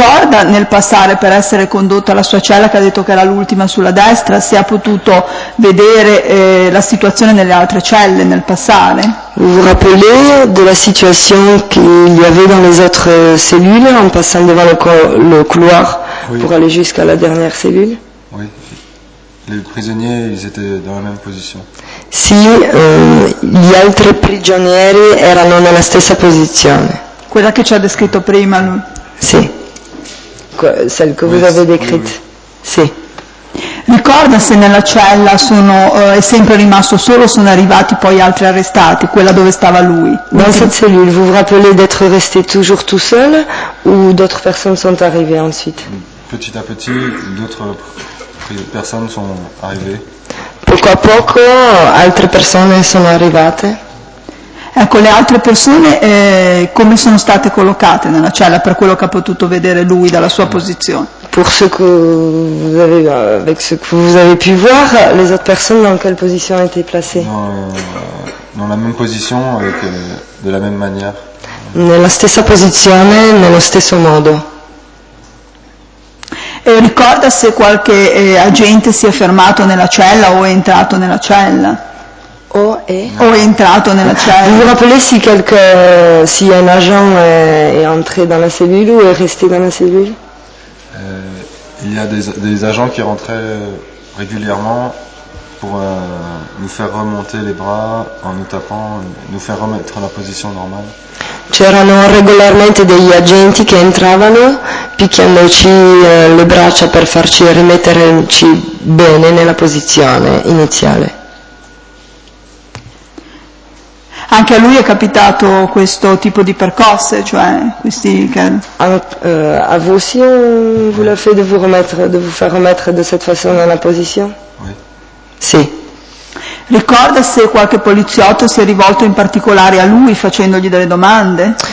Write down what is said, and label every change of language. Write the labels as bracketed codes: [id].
[it] ricorda nel passare per essere condotto alla sua cella, che ha detto che era l'ultima sulla destra, se ha potuto vedere la situazione nelle altre celle nel passare? [fr] Vous rappelez de la situation qu'il y avait dans les autres cellules en passant devant le couloir pour aller jusqu'à la dernière cellule? Oui. Les prisonniers, ils étaient dans la même position. [it] Sì, gli altri prigionieri erano nella stessa posizione. Quella che ci ha descritto prima lui. Sì. [fr] Celle que vous avez décrite. [it] Sì. Ricorda se nella cella sono è sempre rimasto solo, sono arrivati poi altri arrestati, quella dove stava lui. [fr] Dans cette cellule, vous vous rappelez d'être resté toujours tout seul ou d'autres personnes sont arrivées ensuite? Petit à petit, d'autres personnes sont arrivées. [it] Poco a poco altre persone sono arrivate. Ecco, le altre persone come sono state collocate nella cella per quello che ha potuto vedere lui dalla sua posizione? [fr] Pour ce que vous avez, avec ce que vous avez pu voir, les autres personnes dans quelle position ont été placées? Dans la même position, avec, de la même manière. [it] Nella stessa posizione, nello stesso modo. E ricorda se qualche agente si è fermato nella cella o è entrato nella cella? O è entrato nella cella? [fr] Vous rappelez si quelque si un agent est entré dans la cellule ou est resté dans la cellule? Il y a des agents qui rentraient régulièrement pour nous faire remonter les bras en nous tapant, nous faire remettre la position normale. [it] C'erano regolarmente degli agenti che entravano picchiandoci le braccia per farci rimetterci bene nella posizione iniziale. Anche a lui è capitato questo tipo di percosse, cioè questi che... [fr] A voi aussi on vous l'a fait de vous faire remettre de cette façon dans la position? Oui. [it] Sì. Ricorda se qualche poliziotto si è rivolto in particolare a lui facendogli delle domande?